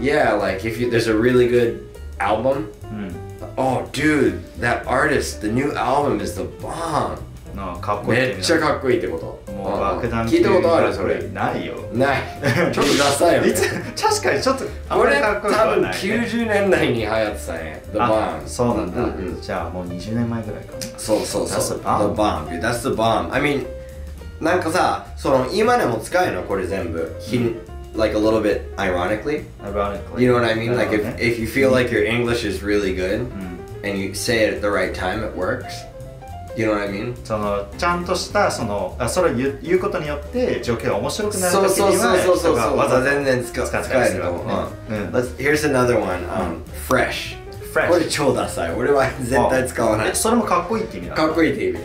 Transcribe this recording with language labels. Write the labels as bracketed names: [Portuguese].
[English] Yeah, like, if you, there's a really good album... Oh, dude, that artist, the new album is the bomb! No, [Japanese] かっこいい。めっちゃかっこいいってこと。もう爆弾聞いたことあるそれ。ないよ。ない。ちょっとダサいよね。確かに、ちょっと、あんまりかっこよくはない。これ、多分90年代に流行ってたね。 [English] The bomb. [Japanese] そうなんだ。じゃあ、もう20年前ぐらいかな。そうそうそう。 [English] That's a bomb. The bomb, dude. That's the bomb. I mean... [Japanese] なんかさ、その今でも使えるのこれ全部、 [English] like a little bit ironically, you know what I mean? Like if you feel like your English is really good, and you say it at the right time, it works. You know what I mean? [Japanese] そのちゃんとしたそのあそれ言うことによって状況が面白くなるときには、そうそうそうそう、また全然使えるの。 [English] Let's here's another one. Fresh Fresh. [Japanese] これ超ダサい。俺は絶対使わない。それもかっこいいって意味だ。かっこいいって意味。